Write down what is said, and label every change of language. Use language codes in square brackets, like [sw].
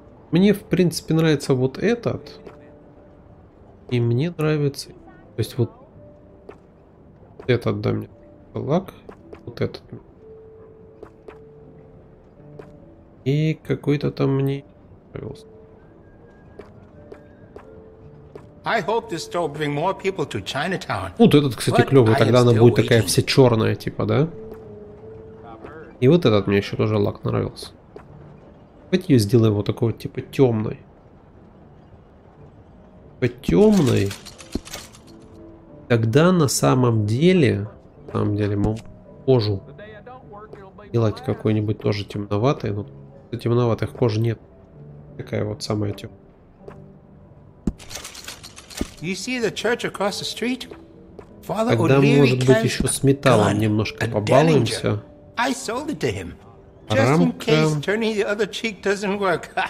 [ru] Мне, в принципе, нравится вот этот. И мне нравится. То есть вот этот, да, мне лак. Вот этот. И какой-то там мне понравился. [en] I hope this store will bring more people to Chinatown. [ru] Вот этот, кстати, клевый. Тогда она будет такая вся черная, типа, да? И вот этот мне еще тоже лак нравился. Давайте ее сделаем вот такой вот, типа, темной. Темной. Тогда на самом деле, мы кожу делать какой-нибудь тоже темноватой. Ну, темноватых кожи нет. Такая вот самая темная. [en] You see the church across the street? Father O'Leary. [ru] Тогда, может быть, еще с металлом немножко побалуемся. [en] I sold it to him. Just in case turning the other cheek doesn't work.